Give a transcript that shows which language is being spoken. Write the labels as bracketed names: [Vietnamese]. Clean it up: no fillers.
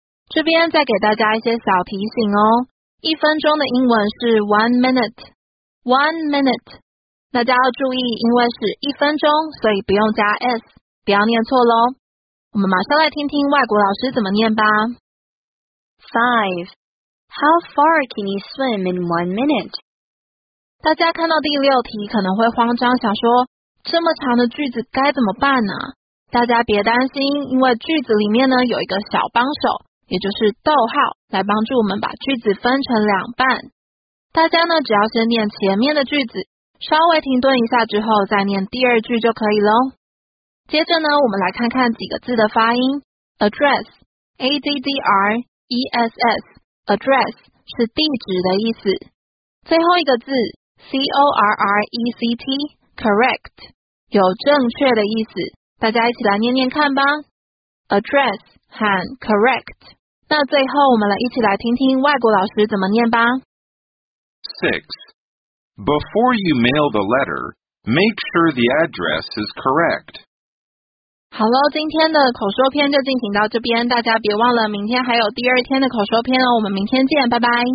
[Chinese] 这边再给大家一些小提醒哦，一分钟的英文是 1 minute 1 minute， 大家要注意，因为是一分钟，所以不用加 s， 不要念错咯。我们马上来听听外国老师怎么念吧。 [English] 5How far can you swim in 1 minute? [Chinese] 大家看到第六题可能会慌张，想说这么长的句子该怎么办呢？大家别担心，因为句子里面呢有一个小帮手，也就是逗号，来帮助我们把句子分成两半。大家呢只要先念前面的句子，稍微停顿一下之后再念第二句就可以咯。接着呢我们来看看几个字的发音。address A-D-D-R-E-S-S address 是地址的意思，最后一个字 correct correct 有正确的意思，大家一起来念念看吧。 address 和 correct。那最后我们来一起来听听外国老师怎么念吧。 [English] 6. Before you mail the letter, make sure the address is correct. [Chinese] 好了，今天的口说篇就进行到这边，大家别忘了明天还有第二天的口说篇哦，我们明天见，拜拜。